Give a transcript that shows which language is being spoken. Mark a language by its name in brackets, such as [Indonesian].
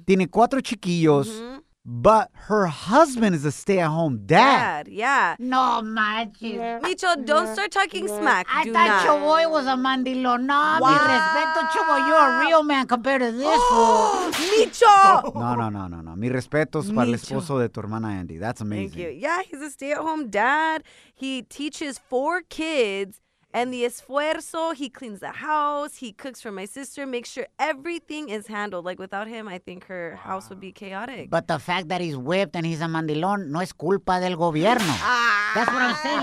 [Spanish] Tiene cuatro chiquillos, [English] but her husband is a stay-at-home dad. Yeah. [Spanish] No, manches. Yeah. [English] Nicho, don't start talking smack. I thought Chavoy was a mandilón. [Spanish] No, mi respeto, [English] Chavoy. You're a real man compared to this fool. Nicho! No. [Spanish] Mi respeto es para el esposo de tu hermana Andy. [English] That's amazing. Thank you. Yeah, he's a stay-at-home dad. He teaches four kids, And the esfuerzo, he cleans the house, he cooks for my sister, makes sure everything is handled. Like, without him, I think her house would be chaotic. But the fact that he's whipped and he's a mandilón [Spanish] no es culpa del gobierno. [English] That's what I'm saying.